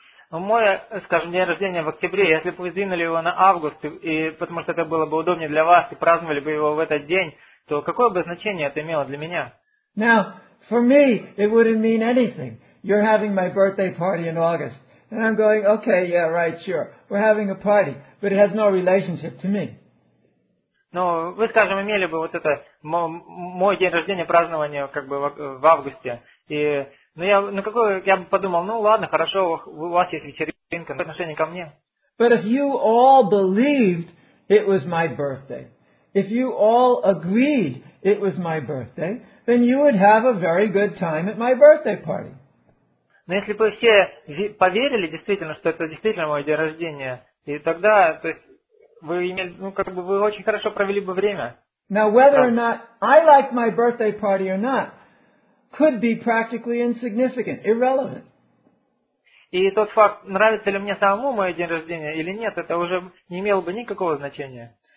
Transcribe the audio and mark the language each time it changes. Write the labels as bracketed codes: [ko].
[ru] Мое, скажем, день рождения в октябре, если бы вы сдвинули его на август, и потому что это было бы удобнее для вас, и праздновали бы его в этот день, то какое бы значение это имело для меня? [en] Now, for me, it wouldn't mean anything. You're having my birthday party in August. And I'm going, okay, yeah, right, sure. We're having a party. But it has no relationship to me. [ru] Ну, вы, скажем, имели бы вот это, мой день рождения, празднование как бы в августе. И, ну, я бы подумал, ну, ладно, хорошо, у вас есть вечеринка, но отношение ко мне. [en] But if you all believed it was my birthday, if you all agreed it was my birthday, then you would have a very good time at my birthday party. [ru] Но если бы все поверили действительно, что это действительно мой день рождения, и тогда, то есть, вы имели, ну, как бы вы очень хорошо провели бы время. [en] Now, whether or not I liked my birthday party or not could be practically insignificant, irrelevant. [ru] И тот факт, нравится ли мне самому мой день рождения или нет, это уже не имело бы никакого значения.